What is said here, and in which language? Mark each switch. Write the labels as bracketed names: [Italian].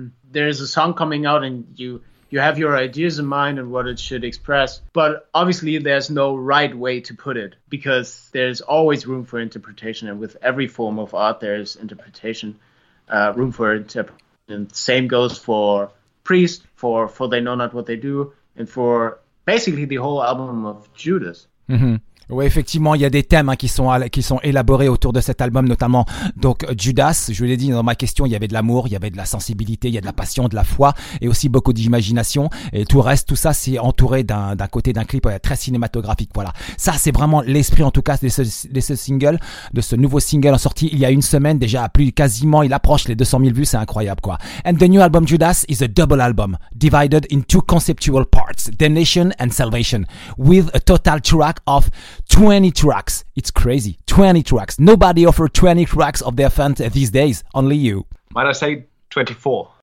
[English] There's a song coming out and you have your ideas in mind and what it should express, but obviously there's no right way to put it because there's always room for interpretation. And with every form of art, there's interpretation, room for interpretation. And same goes for Priest, for They Know Not What They Do, and for basically the whole album of Judas. Mm-hmm. [French] Oui, effectivement, il y a des thèmes hein, qui sont élaborés autour de cet album, notamment donc Judas. Je vous l'ai dit dans ma question, il y avait de l'amour, il y avait de la sensibilité, il y a de la passion, de la foi et aussi beaucoup d'imagination. Et tout reste, tout ça, c'est entouré d'un côté d'un clip très cinématographique. Voilà, ça, c'est vraiment l'esprit en tout cas de ce nouveau single en sortie il y a une semaine déjà, il approche les 200 000 vues, c'est incroyable quoi. [English] And the new album Judas is a double album divided in two conceptual parts, Damnation and Salvation, with a total track of 20 tracks. It's crazy. 20 tracks. Nobody offers 20 tracks of their fans these days. Only you. Might I say 24?